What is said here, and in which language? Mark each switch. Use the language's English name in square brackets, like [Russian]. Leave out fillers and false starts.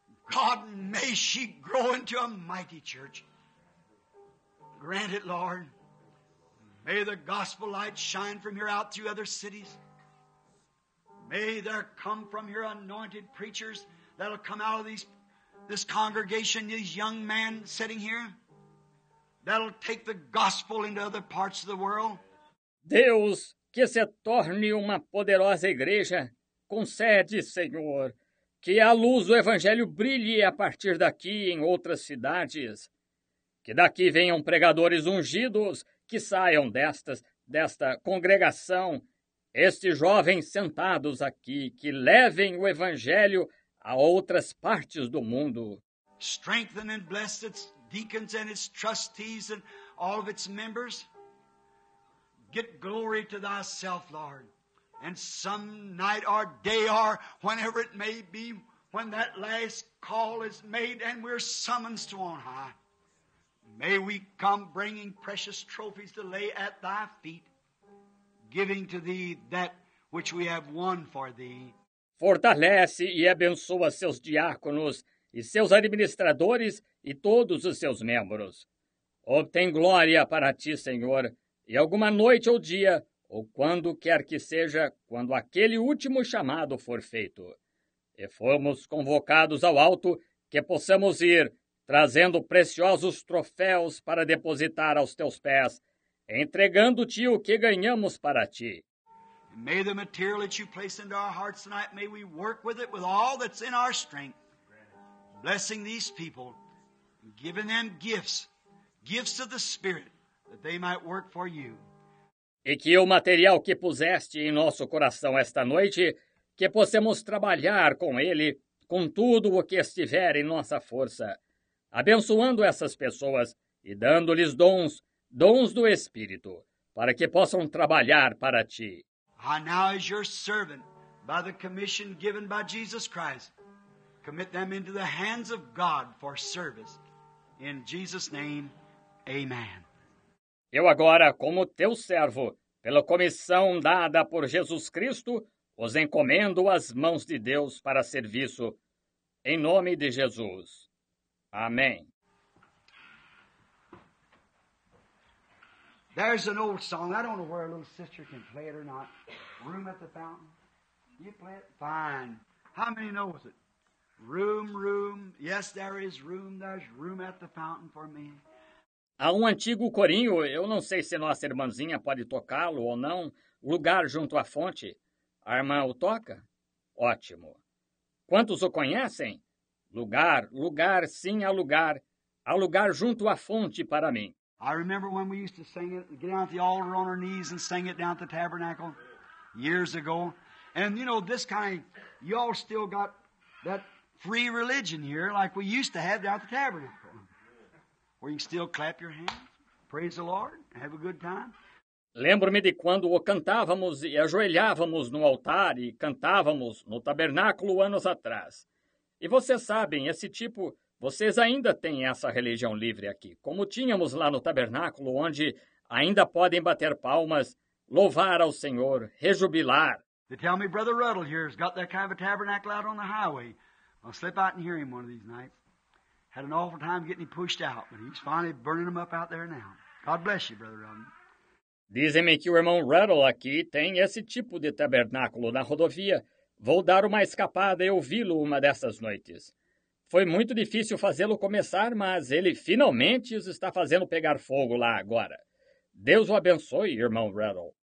[English] God, may she grow into a mighty church. Grant it, Lord. May the gospel light shine from here out through other cities. May there come from here anointed preachers that'll come out of this congregation, these young men sitting here, that'll take the gospel into other parts of the world. [Portuguese] Deus, que se torne uma poderosa igreja, concede, Senhor, Que a luz do Evangelho brilhe a partir daqui em outras cidades. Que daqui venham pregadores ungidos que saiam desta congregação, estes jovens sentados aqui, que levem o Evangelho a outras partes do mundo. [English] Strengthen and bless its deacons and its trustees and all of its members. Get glory to thyself, Lord. And some night or day or whenever it may be, when that last call is made and we're summoned to on high, may we come bringing precious trophies to lay at thy feet, giving to thee that which we have won for thee. [Portuguese] Fortalece e abençoa seus diáconos e seus administradores e todos os seus membros. Obtém glória para ti, Senhor, e alguma noite ou dia, ou quando quer que seja, quando aquele último chamado for feito, e formos convocados ao alto, que possamos ir, trazendo preciosos troféus para depositar aos teus pés, entregando-te o que ganhamos para ti. [English] May the material that you place into our hearts tonight, may we work with it with all that's in our strength, blessing these people, giving them gifts, gifts of the Spirit, that they might work for you. [Portuguese] E que o material que puseste em nosso coração esta noite, que possamos trabalhar com ele, com tudo o que estiver em nossa força, abençoando essas pessoas e dando-lhes dons, dons do Espírito, para que possam trabalhar para ti. [English] I now, as your servant, by the commission given by Jesus Christ, commit them into the hands of God for service. In Jesus' name, amen. [Portuguese] Eu agora, como teu servo, pela comissão dada por Jesus Cristo, os encomendo às mãos de Deus para serviço. Em nome de Jesus. Amém. [English] There's an old song. I don't know where a little sister can play it or not. Room at the Fountain. You play it? Fine. How many knows it? Room, room. Yes, there is room. There's room at the fountain for me. [Portuguese] Há um antigo corinho, eu não sei se nossa irmãzinha pode tocá-lo ou não, lugar junto à fonte. A irmã o toca? Ótimo. Quantos o conhecem? Lugar, lugar, sim, há lugar. Há lugar junto à fonte para mim. [English] I remember when we used to sing it, get down at the altar on our knees and sing it down at the tabernacle years ago. And you know, this kind, you all still got that free religion here like we used to have down at the tabernacle. Where you can still clap your hands, praise the Lord, have a good time. [Portuguese] Lembro-me de quando o cantávamos e ajoelhávamos no altar e cantávamos no tabernáculo anos atrás. E vocês sabem, esse tipo, vocês ainda têm essa religião livre aqui, como tínhamos lá no tabernáculo, onde ainda podem bater palmas, louvar ao Senhor, rejubilar. [English] They tell me Brother Ruddle here has got that kind of a tabernacle out on the highway. I'll slip out and hear him one of these nights. Had an awful time getting him pushed out, but he's finally burning them up out there now. God bless you, Brother Ruddle. [Portuguese] Dizem-me que o irmão Ruddle aqui tem esse tipo de tabernáculo na rodovia. Vou dar uma escapada e ouvi-lo uma dessas noites. Foi muito difícil fazê-lo começar, mas ele finalmente os está fazendo pegar fogo lá agora. Deus o abençoe, irmão Ruddle.